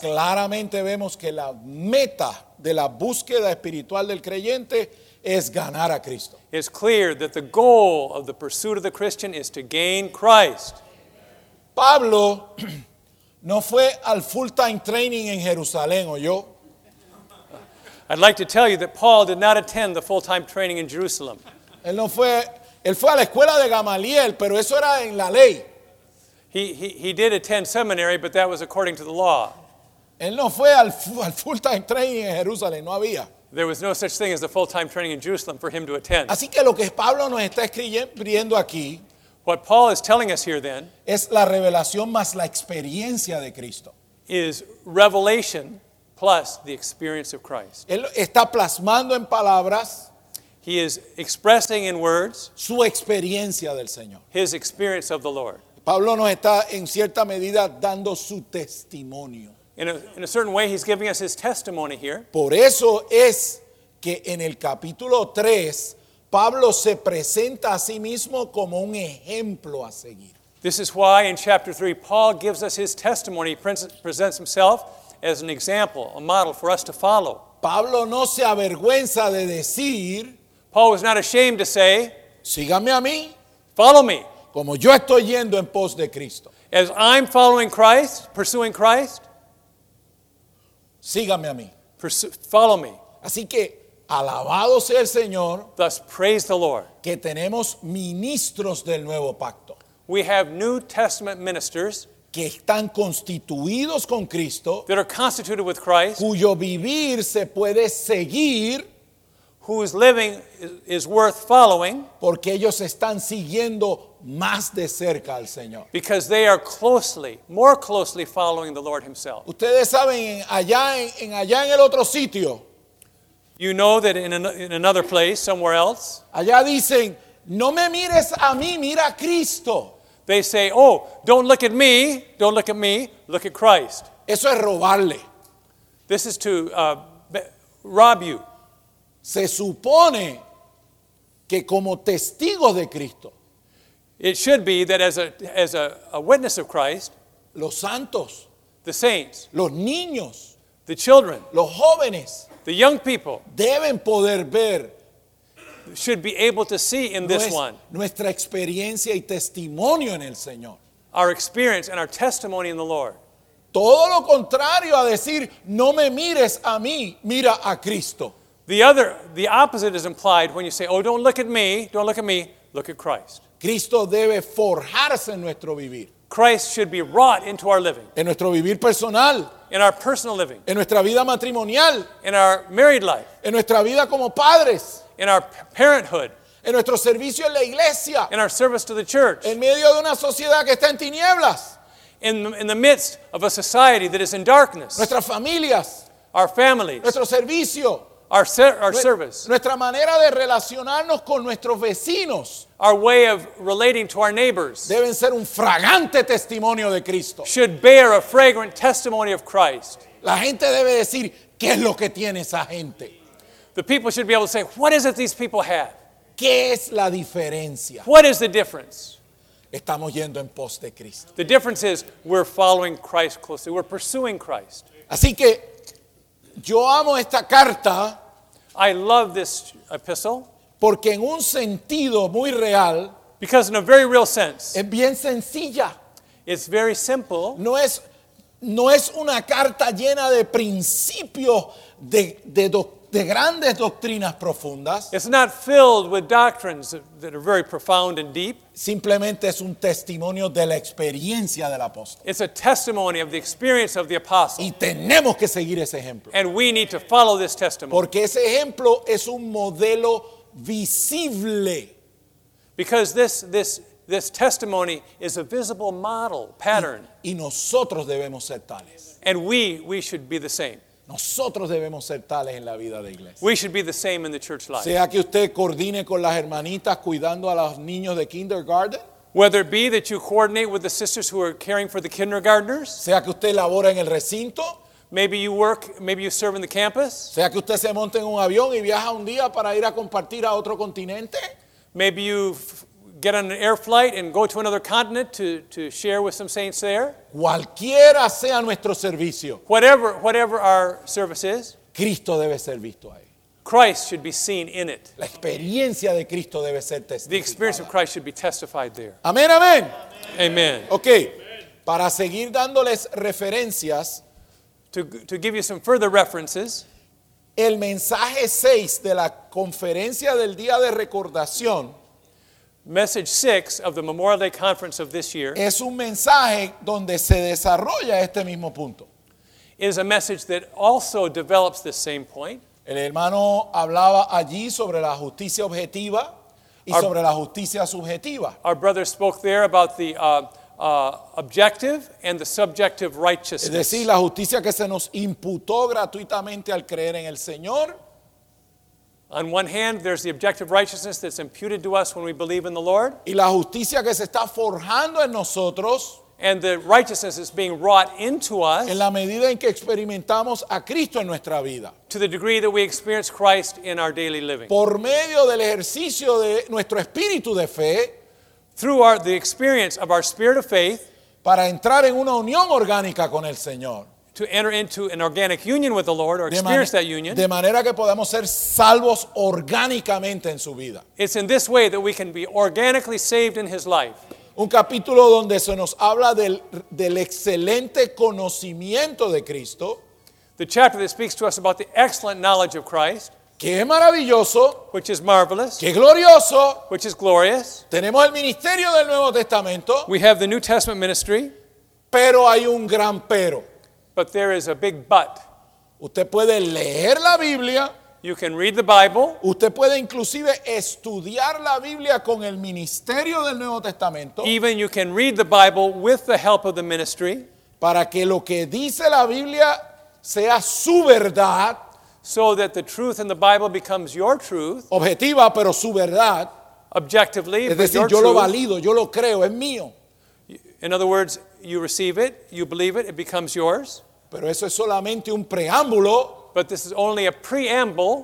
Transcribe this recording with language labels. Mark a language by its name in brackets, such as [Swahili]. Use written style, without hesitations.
[Spanish] claramente vemos que la meta de la búsqueda espiritual del creyente es ganar a Cristo. [English] It's clear that the goal of the pursuit of the Christian is to gain Christ. [Spanish] Pablo no fue al full-time training en Jerusalén, ¿oyó? [English] I'd like to tell you that Paul did not attend the full-time training in Jerusalem. [Spanish] Él no fue, él fue a la escuela de Gamaliel, pero eso era en la ley. [English] He did attend seminary, but that was according to the law. [Spanish] Él no fue al full-time training en Jerusalén, no había. [English] There was no such thing as a full-time training in Jerusalem for him to attend. [Spanish] Así que lo que Pablo nos está escribiendo aquí, [English] what Paul is telling us here then [Spanish] es la revelación más la experiencia de Cristo. [English] Is revelation plus the experience of Christ. [Spanish] Él está plasmando en palabras, [English] he is expressing in words, [Spanish] su experiencia del Señor. [English] His experience of the Lord. [Spanish] Pablo nos está en cierta medida dando su testimonio. [English] In a certain way he's giving us his testimony here. [Spanish] Por eso es que en el capítulo 3 Pablo se presenta a sí mismo como un ejemplo a seguir. [English] This is why in chapter 3 Paul gives us his testimony. He presents himself as an example, a model for us to follow. [Spanish] Pablo no se avergüenza de decir, [English] Paul was not ashamed to say, [Spanish] sígame a mí, [English] follow me, [Spanish] como yo estoy yendo en pos de Cristo. [English] As I'm following Christ, pursuing Christ, [Spanish] sígame a mí, [English] follow me. [Spanish] Así que alabado sea el Señor. [English] Thus praise the Lord. [Spanish] Que tenemos ministros del nuevo pacto. [English] We have New Testament ministers. [Spanish] Que están constituidos con Cristo. [English] That are constituted with Christ. [Spanish] Cuyo vivir se puede seguir. [English] Whose living is worth following. [Spanish] Porque ellos están siguiendo más de cerca al Señor. [English] Because they are closely, more closely following the Lord himself. [Spanish] Ustedes saben, allá en el otro sitio, [English] You know that in another place, somewhere else. [Spanish] Allá dicen, no me mires a mí, mira a Cristo. [English] They say, oh, don't look at me, don't look at me, look at Christ. [Spanish] Eso es robarle. [English] This is to rob you. [Spanish] Se supone que como testigos de Cristo. [English] It should be that as a witness of Christ. [Spanish] Los santos. [English] The saints. [Spanish] Los niños. [English] The children. [Spanish] Los jóvenes. [English] The young people. [Spanish] Deben poder ver. [English] Should be able to see in this one. [Spanish] Nuestra experiencia y testimonio en el Señor. [English] Our experience and our testimony in the Lord. [Spanish] Todo lo contrario a decir, no me mires a mí, mira a Cristo. [English] The opposite is implied when you say, oh, don't look at me, don't look at me, look at Christ. [Spanish] Cristo debe forjarse en nuestro vivir. [English] Christ should be wrought into our living. [Spanish] En nuestro vivir personal. [English] In our personal living. [Spanish] En nuestra vida matrimonial. [English] In our married life. [Spanish] En nuestra vida como padres. [English] In our parenthood. [Spanish] En nuestro servicio en la iglesia. [English] In our service to the church. [Spanish] En medio de una sociedad que está en tinieblas. [English] In the midst of a society that is in darkness. [Spanish] Nuestras familias. [English] Our families. [Spanish] Nuestro servicio. [English] Our service. [Spanish] Nuestra manera de relacionarnos con nuestros vecinos. [English] Our way of relating to our neighbors. [Spanish] Deben ser un fragante testimonio de Cristo. [English] Should bear a fragrant testimony of Christ. [Spanish] La gente debe decir, ¿qué es lo que tiene esa gente? [English] The people should be able to say, what is it these people have? [Spanish] ¿Qué es la diferencia? [English] What is the difference? [Spanish] Estamos yendo en pos de Cristo. [English] The difference is we're following Christ closely. We're pursuing Christ. [Spanish] Así que yo amo esta carta. [English] I love this epistle. [Spanish] Porque en un sentido muy real. [English] Because in a very real sense. [Spanish] Es bien sencilla. [English] It's very simple. [Spanish] No es una carta llena de principios de grandes doctrinas profundas. [English] It's not filled with doctrines that are very profound and deep. [Spanish] Simplemente es un testimonio de la experiencia del apóstol. [English] It's a testimony of the experience of the apostle. [Spanish] Y tenemos que seguir ese ejemplo. [English] And we need to follow this testimony. [Spanish] Porque ese ejemplo es un modelo visible. [English] Because this testimony is a visible model, pattern. [Spanish] Y nosotros debemos ser tales. [English] And we should be the same. [Spanish] Nosotros debemos ser tales en la vida de iglesia. [English] We should be the same in the church life. [Spanish] Sea que usted coordine con las hermanitas cuidando a los niños de kindergarten. [English] Whether it be that you coordinate with the sisters who are caring for the kindergartners. [Spanish] Sea que usted labora en el recinto. [English] Maybe you serve in the campus. [Spanish] Sea que usted se monte en un avión y viaja un día para ir a compartir a otro continente. [English] Maybe you get on an air flight and go to another continent to share with some saints there. [Spanish] Cualquiera sea nuestro servicio. [English] Whatever our service is. [Spanish] Cristo debe ser visto ahí. [English] Christ should be seen in it. [Spanish] La experiencia de Cristo debe ser testificada. [English] The experience of Christ should be testified there. [Spanish] Amén, amén. [English] Amen. [Spanish] Okay. Para seguir dándoles referencias. [English] To give you some further references. [Spanish] El mensaje 6 de la conferencia del día de recordación. [English] Message 6 of the Memorial Day Conference of this year. [Spanish] Es un mensaje donde se desarrolla este mismo punto. [English] Is a message that also develops the same point. [Spanish] El hermano hablaba allí sobre la justicia objetiva y sobre la justicia subjetiva. [English] Our brother spoke there about the objective and the subjective righteousness. [Spanish] Es decir, la justicia que se nos imputó gratuitamente al creer en el Señor. [English] On one hand, there's the objective righteousness that's imputed to us when we believe in the Lord. [Spanish] Y la justicia que se está forjando en nosotros. [English] And the righteousness that's being wrought into us. [Spanish] En la medida en que experimentamos a Cristo en nuestra vida. [English] To the degree that we experience Christ in our daily living. [Spanish] Por medio del ejercicio de nuestro espíritu de fe. [English] Through the experience of our spirit of faith. [Spanish] Para entrar en una unión orgánica con el Señor. [English] To enter into an organic union with the Lord or experience that union. [Spanish] De manera que podamos ser salvos orgánicamente en su vida. [English] It's in this way that we can be organically saved in his life. [Spanish] Un capítulo donde se nos habla del excelente conocimiento de Cristo. [English] The chapter that speaks to us about the excellent knowledge of Christ. [Spanish] Qué maravilloso. [English] Which is marvelous. [Spanish] Qué glorioso. [English] Which is glorious. [Spanish] Tenemos el ministerio del Nuevo Testamento. [English] We have the New Testament ministry. [Spanish] Pero hay un gran pero. [English] But there is a big but. [Spanish] Usted puede leer la Biblia. [English] You can read the Bible. [Spanish] Usted puede inclusive estudiar la Biblia con el ministerio del Nuevo Testamento. [English] Even you can read the Bible with the help of the ministry. [Spanish] Para que lo que dice la Biblia sea su verdad. [English] so that the truth in the Bible becomes your truth. [Spanish] Objetiva, pero su verdad. [English] Objectively, [Spanish] es decir, yo [English] truth. [Spanish] Lo valido, yo lo creo, es mío. [English] In other words, you receive it, you believe it, it becomes yours. [Spanish] Pero eso es solamente un preámbulo. [English] But this is only a preamble.